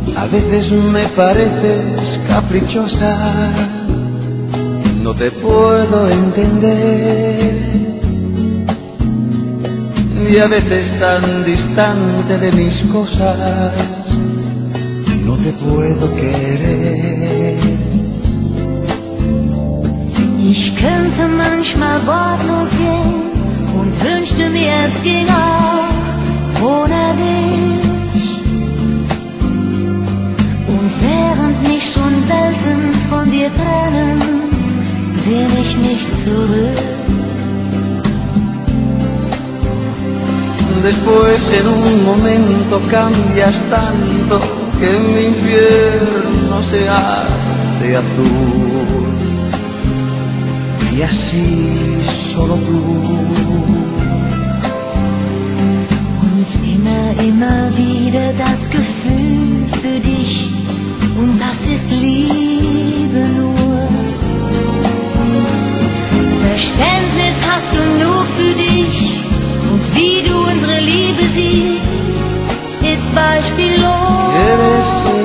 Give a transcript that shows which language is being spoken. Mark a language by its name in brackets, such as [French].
[Spanish] veces me pareces caprichosa. No te puedo entender. Y a veces tan distante de mis cosas, no te puedo querer. [German] Ich könnte manchmal wortlos gehen und wünschte mir, es ging auch ohne dich. Und während mich schon Welten von dir trennen, sehn ich mich zurück. [Spanish] Después en un momento cambias tanto que mi infierno se hace azul. Y así solo tú. [German] Und immer, immer wieder das Gefühl für dich, und das ist Liebe nur. Verständnis hast du nur für dich, und wie du unsere Liebe siehst, ist beispiellos.